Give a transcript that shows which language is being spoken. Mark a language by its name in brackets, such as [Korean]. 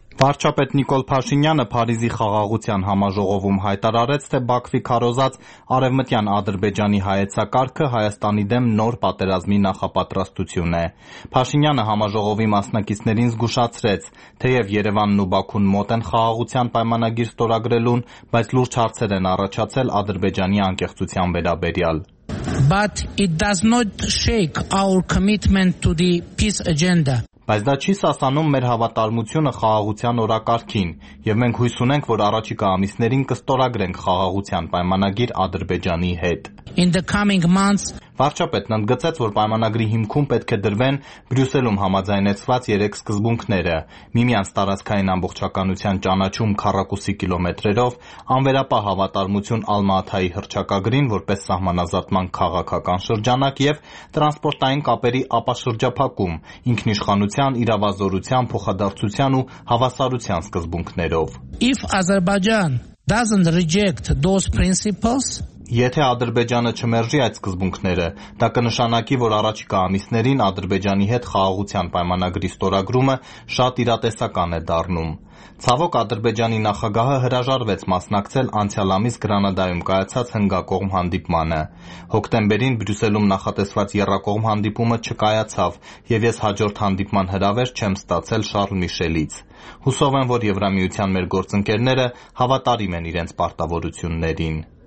[Armenian] Վարչապետ Նիկոլ Փաշինյանը Փարիզի խաղաղության համաժողովում հայտարարեց, թե Բաքվի քարոզած արևմտյան Ադրբեջանի հայեցակարգը Հայաստանի դեմ նոր պատերազմի նախապատրաստություն է։ Փաշինյանը համաժողովի մասնակիցներին զգուշացրեց, թեև Երևանն ու Բաքուն մոտ են խաղաղության պայմանագիր ստորագրելուն, բայց լուրջ հարցեր են առաջացել Ադրբեջանի անկեղծության վերաբերյալ։ [English] But it does not shake our commitment to the peace agenda. [Armenian] Բայց դա չի սասանում մեր հավատարմությունը խաղաղության օրակարգին, և մենք հույս ունենք, որ առաջիկա ամիսներին կստորագրենք խաղաղության պայմանագիր Ադրբեջանի հետ։ [English] In the coming months, [Armenian] Վարչապետն ընդգծեց, որ պայմանագրի հիմքում պետք է դրվեն Բրյուսելում համաձայնեցված երեք սկզբունքները. միմյանց տարածքային ամբողջականության ճանաչում 40 կիլոմետրերով, անվերապահ հավատարմություն Ալմաաթայի հռչակագրին որպես սահմանազատման քաղաքական շրջանակ և տրանսպորտային կապերի ապաշրջափակում, ինքնիշխանության, իրավազորության, փոխադարձության ու հավասարության սկզբունքներով. [English] If Azerbaijan doesn't reject those principles, [Armenian] Եթե Ադրբեջանը չմերժի այդ սկզբունքները, դա կնշանակի, որ առաջիկա ամիսներին Ադրբեջանի հետ խաղաղության պայմանագրի ստորագրումը շատ իրատեսական է դառնում։ Ցավոք, Ադրբեջանի նախագահը հրաժարվեց մասնակցել անցյալ ամիս Գրանադայում կայացած հնգակողմ հանդիպմանը։ Հոկտեմբերին Բրյուսելում նախատեսված եռակողմ հանդիպումը չկայացավ, և ես հաջորդ հանդիպման հրավեր չեմ ստացել Շարլ Միշելից։ Հուսով եմ, որ Եվրամիության մեր գործընկերները հավատարիմ են իրենց պարտավորություններին։